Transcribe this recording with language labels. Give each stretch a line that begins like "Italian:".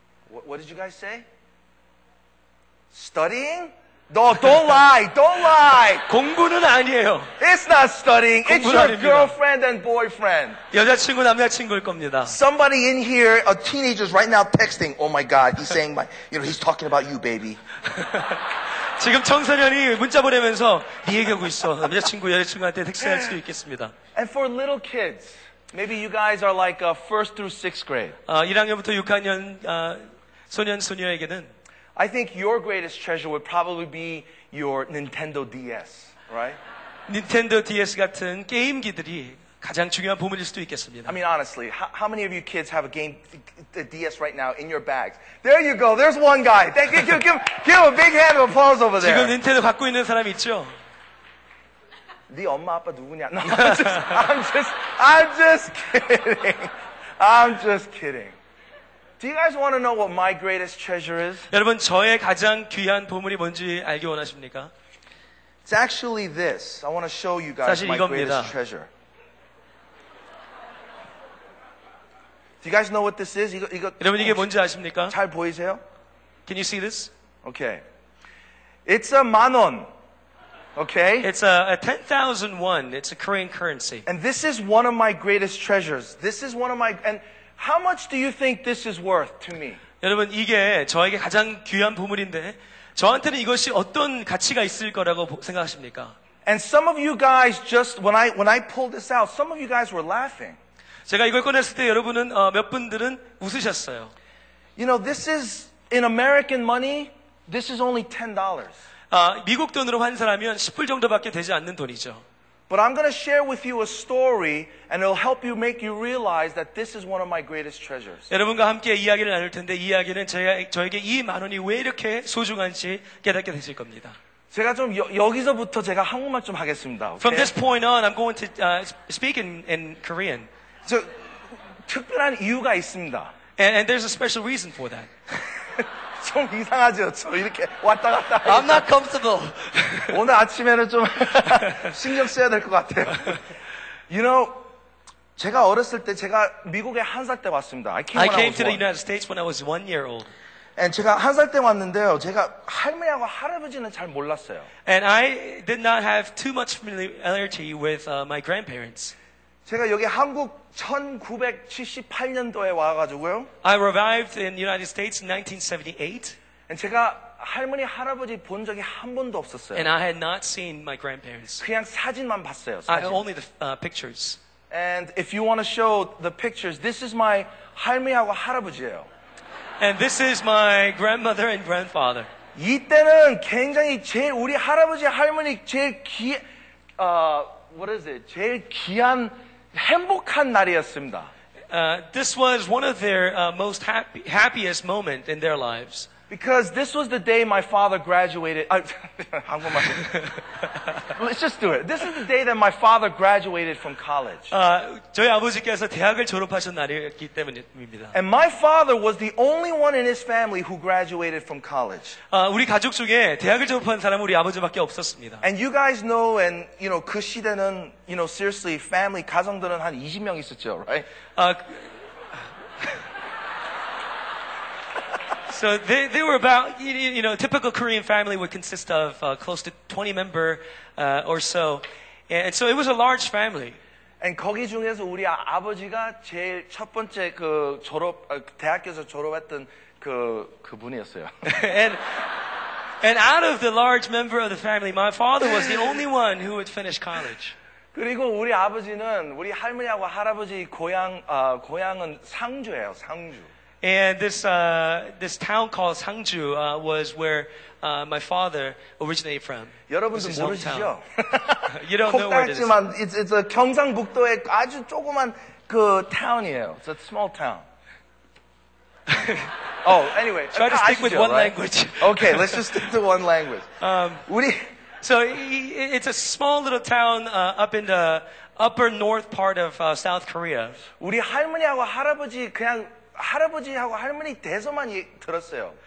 English: What did you guys say? Studying? No, don't lie, don't lie.
Korean: 공부는 아니에요.
English: It's not studying. It's your
Korean: 아닙니다.
English: Girlfriend and boyfriend.
Korean: 여자친구 남자친구일 겁니다.
English: Somebody in here, a teenager, is right now texting. Oh my God, he's saying my, you know, he's talking about you, baby.
Korean: 지금 청소년이 문자 보내면서 네 얘기하고 있어. 남자친구 여자친구한테 텍스트할 수도 있겠습니다.
English: And for little kids, maybe you guys are like first through sixth grade.
Korean: 1학년부터 6학년 소년 소녀에게는.
English: I think your greatest treasure would probably be your Nintendo DS, right?
Korean: Nintendo DS 같은 게임기들이 가장 중요한 보물일 수도 있겠습니다.
English: I mean, honestly, how many of you kids have a game a DS right now in your bags? There you go. There's one guy. Thank you. Give him a big hand of applause over there.
Korean: 지금 닌텐도 갖고 있는 사람 있죠? 네 엄마 아빠 누구냐?
English: No, I'm just kidding. Do you guys want to know what my greatest treasure is?
Korean: 여러분 저의 가장 귀한 보물이 뭔지 알기 원하십니까?
English: It's actually this. I want to show you guys my
Korean: 이겁니다.
English: Greatest treasure. Do you guys know what this is?
Korean: 이거 여러분 이게 뭔지 아십니까? 잘 보이세요?
English: Can you see this? Okay. It's a 만원. Okay. It's a 10,000 won. It's a Korean currency. And this is one of my greatest treasures. This is one of my and How much do you think this is worth to me?
Korean: 여러분, 이게 저에게 가장 귀한 보물인데 저한테는 이것이 어떤 가치가 있을 거라고 생각하십니까?
English: And some of you guys just when I pulled this out, some of you guys were laughing.
Korean: 제가 이걸 꺼냈을 때 여러분은 몇 분들은 웃으셨어요.
English: You know, this is in American money, this is only $10.
Korean: 미국 돈으로 환산하면 10불 정도밖에 되지 않는 돈이죠.
English: But I'm going to share with you a story and it'll help you make you realize that this is one of my greatest treasures.
Korean: 여러분과 함께 이야기를 나눌 텐데 이 이야기는 저에게 이 만 원이 왜 이렇게 소중한지 깨닫게 되실 겁니다. 제가 좀 여기서부터 제가 한국말 좀 하겠습니다.
English: From this point on I'm going to speak in Korean.
Korean: 저 특별한 이유가 있습니다.
English: And there's a special reason for that.
Korean: 좀 이상하죠. 저 이렇게 왔다 갔다.
English: I'm not comfortable.
Korean: 오늘 아침에는 좀 신경 써야 될 것 같아요.
English: You know,
Korean: 제가 어렸을 때 제가 미국에 한 살 때 왔습니다.
English: I came to the United States when I was 1 year old.
Korean: And 제가 한 살 때 왔는데요. 제가 할머니하고 할아버지는 잘 몰랐어요.
English: And I did not have too much familiarity with my grandparents.
Korean: 제가 여기 한국 1978년도에 와가지고요.
English: I arrived in the United States in 1978.
Korean: And 제가 할머니 할아버지 본 적이 한 번도 없었어요.
English: And I had not seen my grandparents.
Korean: 그냥 사진만 봤어요.
English: 사진. I had only the pictures. And if you want to show the pictures, this is my
Korean: 할머니하고 할아버지예요.
English: And this is my grandmother and grandfather.
Korean: 이때는 굉장히 제일 우리 할아버지 할머니 제일 귀
English: what is it?
Korean: 제일 귀한 행복한 날이었습니다.
English: This was one of their most happiest moment in their lives. Because this was the day my father graduated. 한국말. Let's just do it. This is the day that my father graduated from college.
Korean: 저희 아버지께서 대학을 졸업하신 날이기 때문입니다.
English: And my father was the only one in his family who graduated from college.
Korean: 우리 가족 중에 대학을 졸업한 사람은 우리 아버지밖에 없었습니다.
English: And you guys know, and you know,
Korean: 그 시대는,
English: you know, seriously, family
Korean: 가정들은 한 20명 있었죠,
English: right? So they were about, you know, a typical Korean family would consist of close to 20 member or so. And so it was a large family.
Korean: And 거기 중에서 우리 아버지가 제일 첫 번째 그 졸업, 대학교에서 졸업했던 그 분이었어요.
English: And out of the large member of the family, my father was the only one who would finish college.
Korean: 그리고 우리 아버지는 우리 할머니하고 할아버지 고향은 상주예요, 상주.
English: And this town called 상주 was where my father originated from.
Korean: 여러분도 모르시죠?
English: You don't know where it is. It's a
Korean: 경상북도의 아주 조그만 그 town이에요.
English: It's a small town. Oh, anyway. Try to stick with one language. Okay, let's just stick to one language. So it's a small little town up in the upper north part of South Korea.
Korean: 우리 할머니하고 할아버지 그냥 할아버지하고 할머니 대해서만 들었어요.